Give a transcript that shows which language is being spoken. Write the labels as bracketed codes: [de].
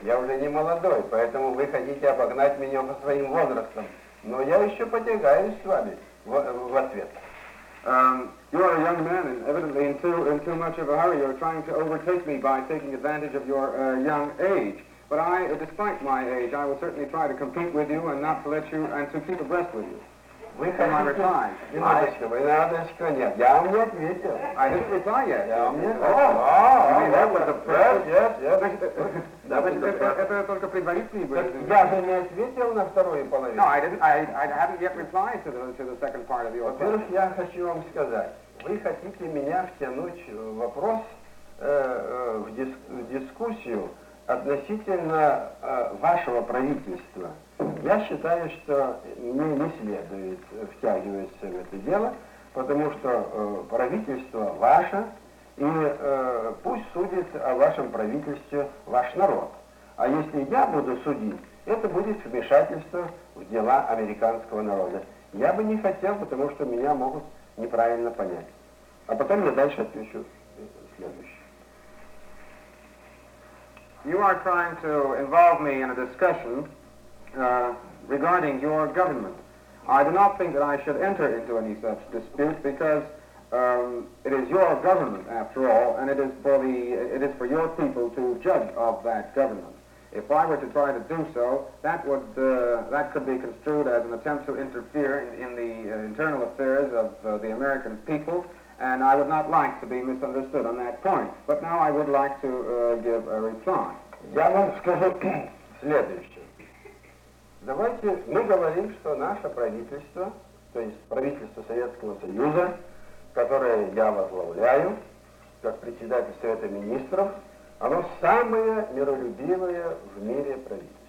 [ru] Я уже не молодой, поэтому вы хотите обогнать меня по своим возрастам. Но я еще потягаюсь с вами в ответ. [en] You are a young man, and evidently in too much of a hurry, you're trying to overtake me by taking advantage of your young age. But I, despite my age, I will certainly try to compete with you and not to let you, and to keep abreast with you. [ru] Вы хотите? Немножечко, нет. Я вам не ответил. [en] I didn't reply yet. [ru] Я вам не ответил. [en] Oh, that was the press. Yes, yes. [ru] Это только предварительные были. Я же не ответил на вторую половину. [en] No, I haven't yet replied to the second part of your question. [ru] Во-первых, я хочу вам сказать. Вы хотите меня втянуть в вопрос, в дискуссию, относительно вашего правительства. Я считаю, что мне не следует втягиваться в это дело, потому что правительство ваше, и пусть судит о вашем правительстве ваш народ. А если я буду судить, это будет вмешательство в дела американского народа. Я бы не хотел, потому что меня могут неправильно понять. А потом я дальше отвечу следующее. [en] You are trying to involve me in a discussion regarding your government. I do not think that I should enter into any such dispute because it is your government, after all, and it is for your people to judge of that government. If I were to try to do so, that could be construed as an attempt to interfere in the internal affairs of the American people, and I would not like to be misunderstood on that point. But now I would like to give a reply. [ru] Я вам скажу следующее. Давайте мы говорим, что наше правительство, то есть правительство Советского Союза, которое я возглавляю как председатель Совета Министров, оно самое миролюбивое в мире правительство.